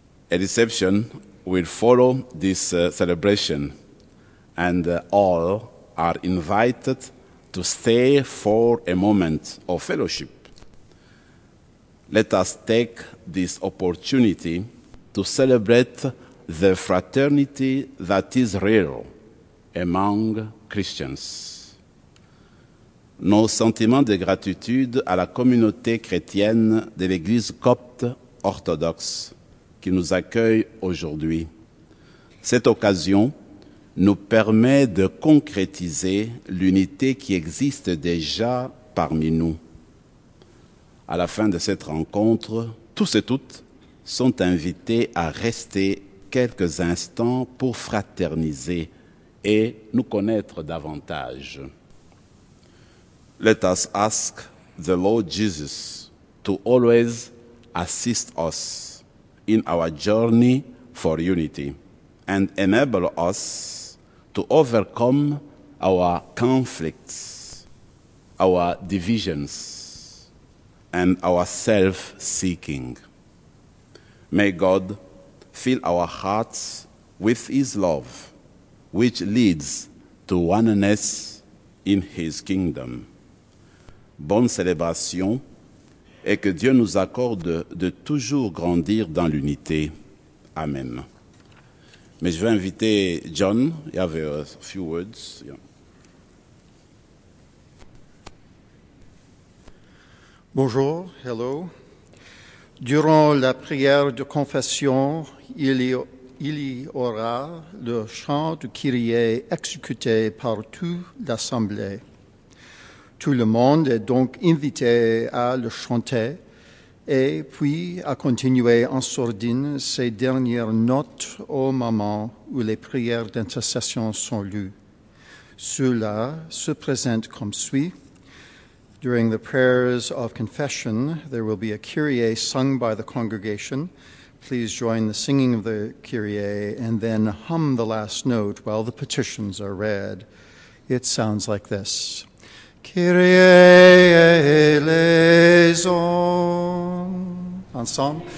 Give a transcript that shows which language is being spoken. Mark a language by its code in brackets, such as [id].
[en] A reception will follow this celebration, and all are invited to stay for a moment of fellowship. Let us take this opportunity to celebrate the fraternity that is real among Christians. [fr] Nos sentiments de gratitude à la communauté chrétienne de l'Église copte orthodoxe qui nous accueille aujourd'hui. Cette occasion nous permet de concrétiser l'unité qui existe déjà parmi nous. À la fin de cette rencontre, tous et toutes sont invités à rester quelques instants pour fraterniser et nous connaître davantage. [en] Let us ask the Lord Jesus to always assist us in our journey for unity and enable us to overcome our conflicts, our divisions, and our self-seeking. May God fill our hearts with His love, which leads to oneness in His kingdom. [fr] Bonne célébration, et que Dieu nous accorde de toujours grandir dans l'unité. Amen. Mais je vais inviter John, [en] you have a few words. Yeah. [fr] Bonjour, hello. Durant la prière de confession, il y aura le chant du Kyrie exécuté par toute l'assemblée. Tout le monde est donc invité à le chanter et puis à continuer en sourdine ces dernières notes au moment où les prières d'intercession sont lues. Cela se présente comme suit. [en] During the prayers of confession, there will be a Kyrie sung by the congregation. Please join the singing of the Kyrie and then hum the last note while the petitions are read. It sounds like this. Kyrie eleison. Ensemble.